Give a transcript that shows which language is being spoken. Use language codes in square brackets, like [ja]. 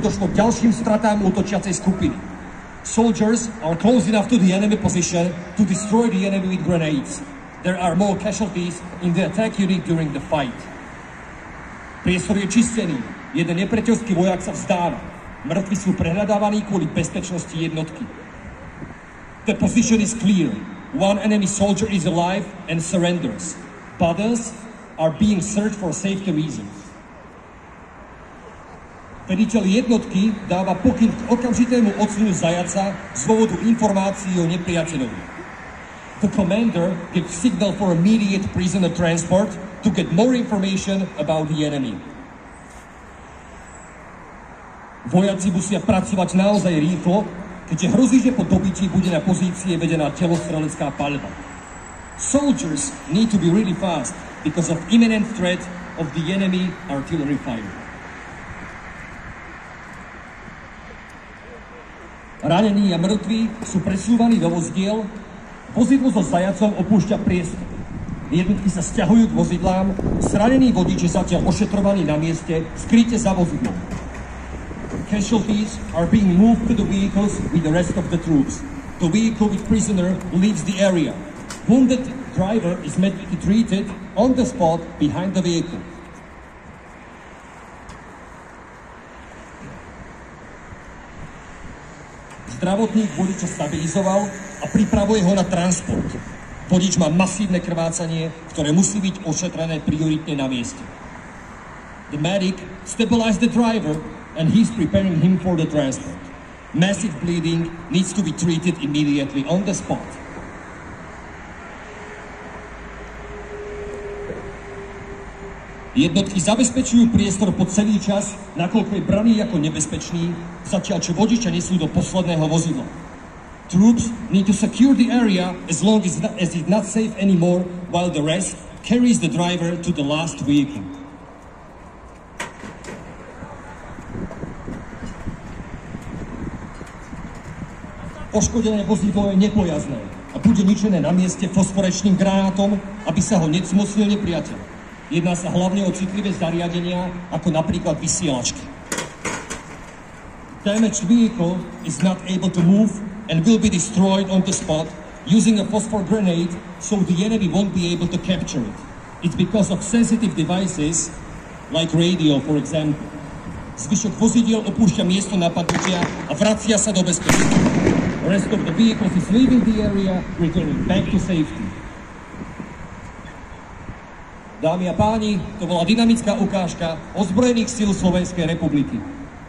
[sk] ďalším stratám útočiacej skupiny. [en] Soldiers are close enough to the enemy position to destroy the enemy with grenades. There are more casualties in the attack unit during the fight. [sk] Priestor je čistený. Jeden nepriateľský vojak sa vzdáva. Mŕtvi sú prehľadávaní kvôli bezpečnosti jednotky. [en] The position is clear. One enemy soldier is alive and surrenders. Others are being searched for safety reasons. [sk] Veliteľ jednotky dáva pokyn k okamžitému odsunu zajaca z dôvodu informácií o nepriateľovi. [en] The commander gives signal for immediate prisoner transport to get more information about the enemy. [sk] Vojaci musia pracovať naozaj rýchlo, keďže hrozí, že po dobití bude na pozícii vedená telostrelecká palba. [en] Soldiers need to be really fast because of imminent threat of the enemy artillery fire. [sk] Ranení a mŕtvi sú presúvaní do vozidiel. Vozidlo so zajacom opúšťa priestor. Jednotky sa sťahujú k vozidlám. Zranený vodič je zatiaľ ošetrovaný na mieste. Skrýte za vozidlom. [en] Casualties are being moved to the vehicles with the rest of the troops. The vehicle with prisoner leaves the area. Wounded driver is medically treated on the spot behind the vehicle. [sk] Zdravotník vodiča stabilizoval a pripravuje ho na transport. Vodič má masívne krvácanie, ktoré musí byť ošetrené prioritne na mieste. [en] The medic stabilized the driver and he's preparing him for the transport. Massive bleeding needs to be treated immediately on the spot. [sk] Jednotky zabezpečujú priestor po celý čas, nakoľko je braný ako nebezpečný, zatiaľ čo vodiča nesú do posledného vozidla. [en] Troops need to secure the area as long as it's not safe anymore, while the rest carries the driver to the last vehicle. [sk] Poškodené vozidlo je nepojazné a bude ničené na mieste fosforečným granátom, aby sa ho necmocnil nepriateľ. Jedná sa hlavne o citlivé zariadenia, ako napríklad vysielačky. [en] Damaged vehicle is not able to move and will be destroyed on the spot using a phosphor grenade, so the enemy won't be able to capture it. It's because of sensitive devices, like radio, for example. [sk] Zvyšok vozidiel opúšťa miesto napadnutia a vracia sa do bezpečnosti. [en] The rest of the vehicles is leaving the area, returning back to safety. [sk] Dámy a páni, to bola dynamická ukážka ozbrojených síl Slovenskej republiky.